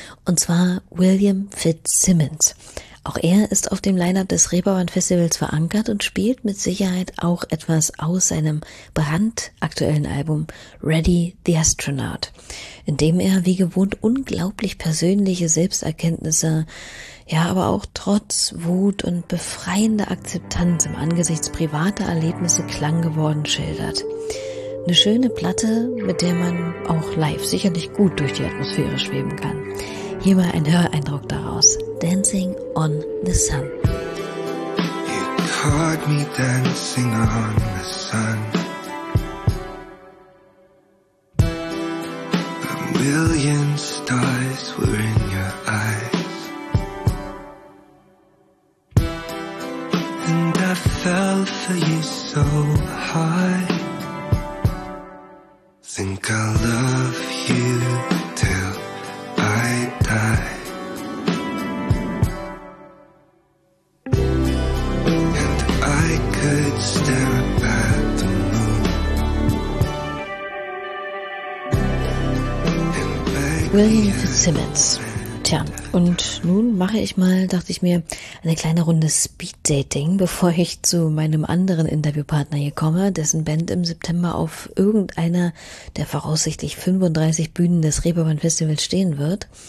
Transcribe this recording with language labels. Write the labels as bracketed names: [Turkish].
[German] Und zwar William Fitzsimmons. Auch er ist auf dem Line-Up des Reeperbahn-Festivals verankert und spielt mit Sicherheit auch etwas aus seinem brandaktuellen Album Ready the Astronaut, in dem er wie gewohnt unglaublich persönliche Selbsterkenntnisse, ja, aber auch Trotz, Wut und befreiende Akzeptanz im Angesicht privater Erlebnisse Klang geworden schildert. Eine schöne Platte, mit der man auch live sicherlich gut durch die Atmosphäre schweben kann. Hier mal ein Höreindruck daraus. [English] Dancing on the Sun. You caught me dancing on the sun. A million stars were in your eyes. And I fell for you so high. Think I'll love you till I die. And I could stare up at the moon. [German] William Fitzsimmons. Tja, und nun mache ich mal, dachte ich mir, eine kleine Runde Speed-Dating, bevor ich zu meinem anderen Interviewpartner hier komme, dessen Band im September auf irgendeiner der voraussichtlich 35 Bühnen des Reeperbahn-Festivals stehen wird.